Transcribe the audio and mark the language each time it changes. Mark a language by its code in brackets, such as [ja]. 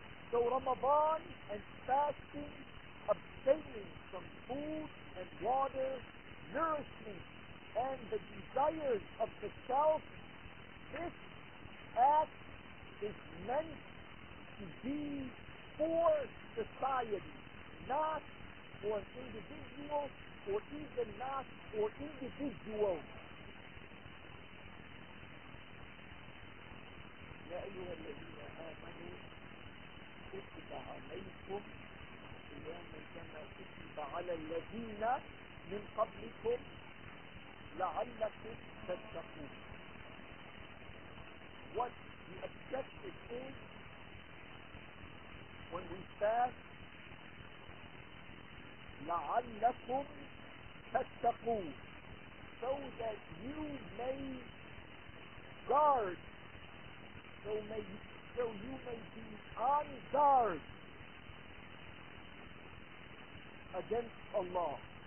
[en] So Ramadan and fasting, abstaining from food and water, nourishment, and the desires of the self, this act is meant to be for society, not for an individual, or even not for individuals. [ar] يا أيها الذين آمنوا كتب عليكم الصيام كما كتب على الذين من قبلكم لعلكم تتقون. [en] What the objective is when we fast, [ar] لعلكم تتقون, [en] so that you may guard, so you may be on guard against Allah.